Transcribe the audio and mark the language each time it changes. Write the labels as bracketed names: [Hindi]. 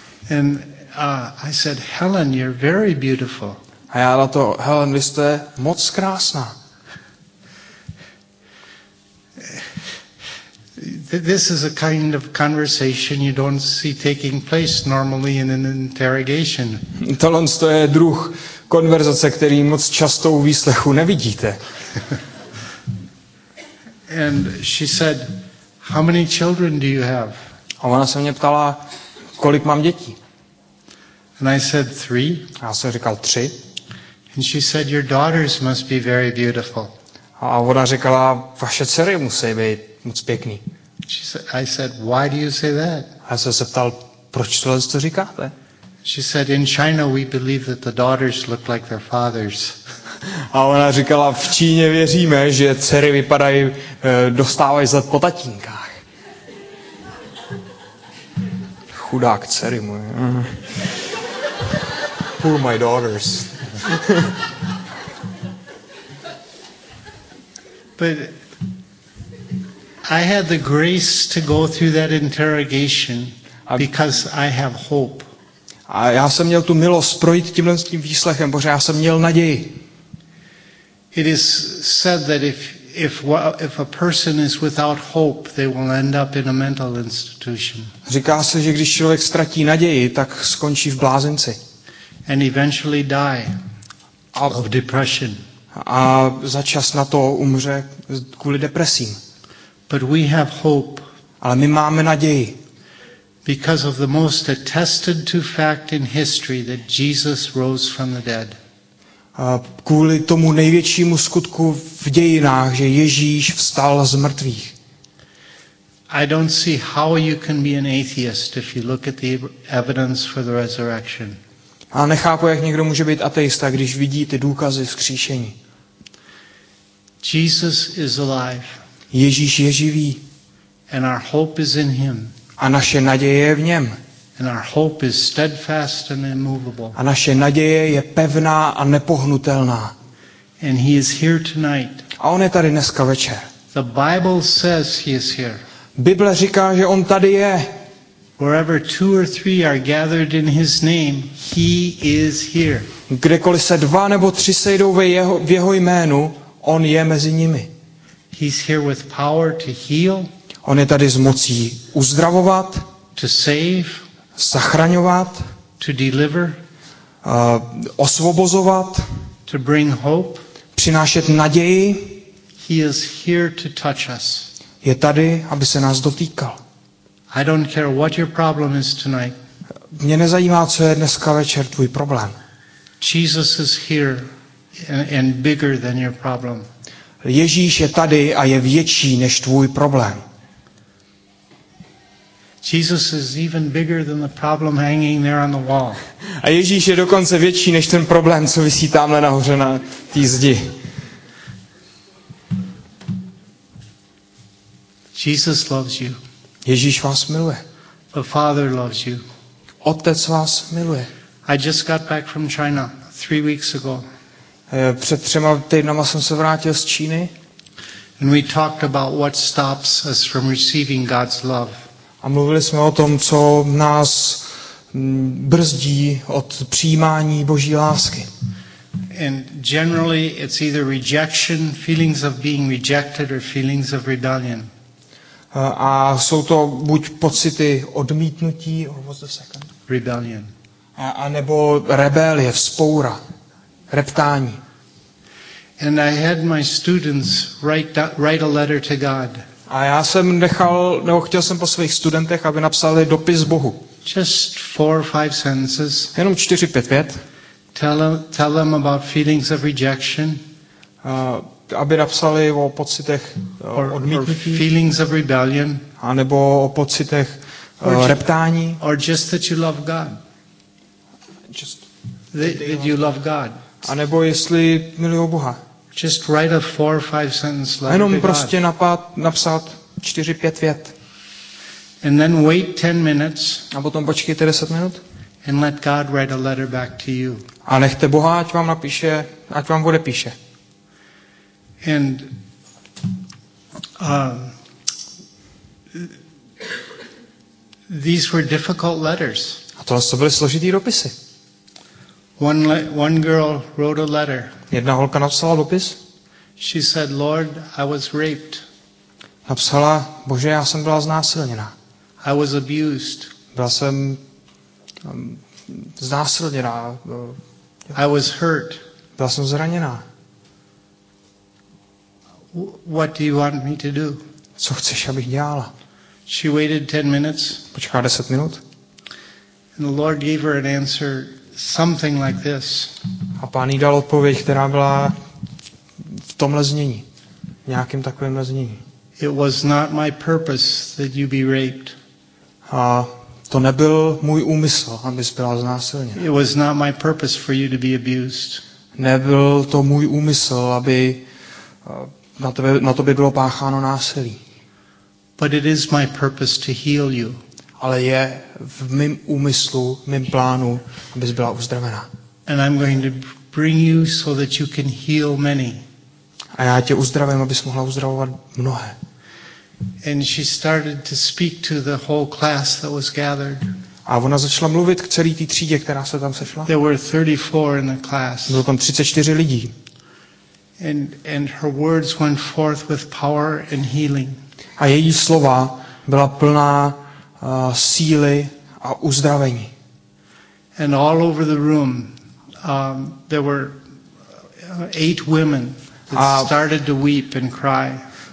[English] And I said, Helen, you're very beautiful. [Czech] A já na to, Helen, vy jste moc krásná. [English] This is a kind of conversation you don't see taking place normally in an interrogation. [Czech] Tohle je druh konverzace, který moc často u výslechu nevidíte. [English] And she said, how many children do you have? [Czech] A ona se mě ptala, kolik mám dětí? [English] And I said, three. [Czech] Já jsem říkal, tři. [English] And she said, your daughters must be very beautiful. [Czech] A ona říkala, vaše dcery musí být moc pěkný. [English] She said, I said, why do you say that? [Czech] A já jsem se ptal, proč tohle to říkáte? [English] She said, in China we believe that the daughters look like their fathers. [Czech] A ona říkala, v Číně věříme, že dcery vypadají, dostávají zlet po tatínkách. Chudák dcery moje. [English] Poor my daughters. But I had the grace to go through that interrogation because I have hope. [Czech] A já jsem měl tu milost projít tímhle s tím výslechem, protože já jsem měl naději. [English] It is said that if a person is without hope, they will end up in a mental institution. [Czech] Říká se, že když člověk ztratí naději, tak skončí v blázenci. [English] And eventually die of depression. [Czech] A za čas na to umře kvůli depresím. [English] But we have hope. [Czech] Ale my máme naději. [English] Because of the most attested to fact in history that Jesus rose from the dead. [Czech] A kvůli tomu největšímu skutku v dějinách, že Ježíš vstal z mrtvých. [English] I don't see how you can be an atheist if you look at the evidence for the resurrection. [Czech] A nechápu, jak někdo může být ateista, když vidí ty důkazy vzkříšení. [English] Jesus is alive. [Czech] Ježíš je živý. [English] And our hope is in him. [Czech] A naše naděje je v něm. [English] And our hope is steadfast and immovable. [Czech] A naše naděje je pevná a nepohnutelná. [English] And he is here tonight. [Czech] A on je tady dneska večer. [English] The Bible says he is here. [Czech] Bible říká, že on tady je. [English] Wherever two or three are gathered in his name, he is here. [Czech] Kdekoliv se dva nebo tři sejdou v jeho jménu, on je mezi nimi. [English] He's here with power to heal. [Czech] On je tady s mocí uzdravovat, [English] to save, [Czech] zachraňovat, [English] to deliver, [Czech] osvobozovat, [English] to bring hope, [Czech] přinášet naději. [English] He is here to touch us. [Czech] Je tady, aby se nás dotýkal. [English] I don't care what your problem is tonight. [Czech] Mě nezajímá, co je dneska večer tvůj problém. [English] Jesus is here and bigger than your problem. [Czech] Ježíš je tady a je větší než tvůj problém. [English] Jesus is even bigger than the problem hanging there on the wall. [Czech] A Ježíš je dokonce větší než ten problém, co visí tamhle nahoře na té zdi. [English] Jesus loves you. [Czech] Ježíš vás miluje. [English] The Father loves you. [Czech] Otec vás miluje. [English] I just got back from China 3 weeks ago. [Czech] Před třema týdnama jsem se vrátil z Číny. [English] And we talked about what stops us from receiving God's love. [Czech] A mluvili jsme o tom, co nás brzdí od přijímání Boží lásky. [English] And generally it's either rejection, feelings of being rejected or feelings of rebellion. [Czech] A jsou to buď pocity odmítnutí, [English] or what's the second? Rebellion. [Czech] A nebo rebelie, vzpoura, reptání. [English] And I had my students write a letter to God. [Czech] A já jsem nechal, nebo chtěl jsem po svých studentech, aby napsali dopis Bohu. [English] Just 4 or 5 sentences. [Czech] Jenom 4-5 vět. [English] Tell them about feelings of rejection. [Czech] Aby napsali o pocitech odmítnutí. [English] Or feelings of rebellion. [Czech] A nebo o pocitech reptání. [English] Or just that you love God. Just that you love God. [Czech] A nebo jestli miluji Boha. [English] Just write a 4 or 5 sentence letter. [Czech] Jenom prostě napsat 4-5 vět. [English] And then wait 10 minutes. [Czech] A potom počkejte 10 minut. [English] And let God write a letter back to you. [Czech] A nechte Boha, ať vám napíše, ať vám odepíše. [English] And these were difficult letters. [Czech] A tohle to byly složitý dopisy. [English] One girl wrote a letter. [Czech] Jedna holka napsala dopis. [English] She said, "Lord, I was raped." [Czech] Napsala: "Bože, já jsem byla znásilněna." [English] I was abused. [Czech] Byla jsem znásilněna. [English] I was hurt. [Czech] Byla jsem zraněná. [English] What do you want me to do? [Czech] Co chceš, abych dělala? [English] She waited 10 minutes. [Czech] Počkala 10 minut. [English] And the Lord gave her an answer something like this. [Czech] A Pán jí dal odpověď, která byla v tomhle znění. V nějakém takovém znění. [English] It was not my purpose that you be raped. [Czech] A to nebyl můj úmysl, abys byla znásilněna. [English] It was not my purpose for you to be abused. [Czech] Nebyl to můj úmysl, aby na tobě bylo pácháno násilí. [English] But it is my purpose to heal you. [Czech] Ale je v mém úmyslu, v mém plánu, abys byla uzdravena. [English] And I'm going to bring you so that you can heal many. [Czech] A já tě uzdravím, abys mohla uzdravovat mnohé. [English] And she started to speak to the whole class that was gathered. [Czech] A ona začala mluvit k celé té třídě, která se tam sešla. [English] There were 34 in the class. [Czech] Bylo tam 34 lidí. [English] And her words went forth with power and healing. [Czech] A její slova byla plná síly a uzdravení. [English] And all over the room there were 8 women that started to weep and cry.